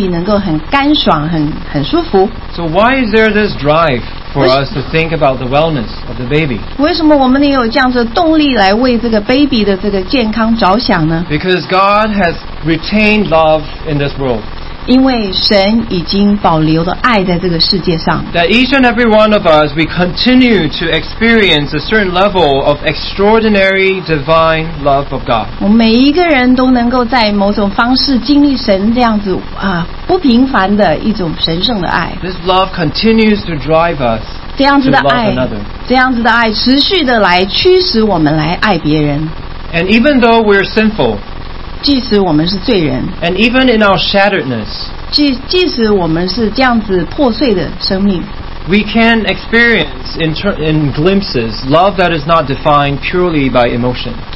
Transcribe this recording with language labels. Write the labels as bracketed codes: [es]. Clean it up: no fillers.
[zh] 因为我所最期望的就是让这个baby能够很干爽，很舒服。 [en] So why is there this drive for us to think about the wellness of the baby? [zh] 为什么我们能有这样子的动力来为这个baby的这个健康着想呢? [en] Because God has retained love in this world. [zh] 因为神已经保留了爱在这个世界上。 [en] That each and every one of us, we continue to experience a certain level of extraordinary divine love of God. [zh] 我们每一个人都能够在某种方式经历神这样子, 不平凡的一种神圣的爱。 [en] This love continues to drive us [zh] 这样子的爱, [en] to love another. [zh] 这样子的爱持续的来驱使我们来爱别人。 [en] And even though we're sinful, [zh] 即使我们是罪人, [en] and even in our shatteredness, [zh] 即使我们是这样子破碎的生命, [en] we can experience in glimpses love that is not defined purely by emotion.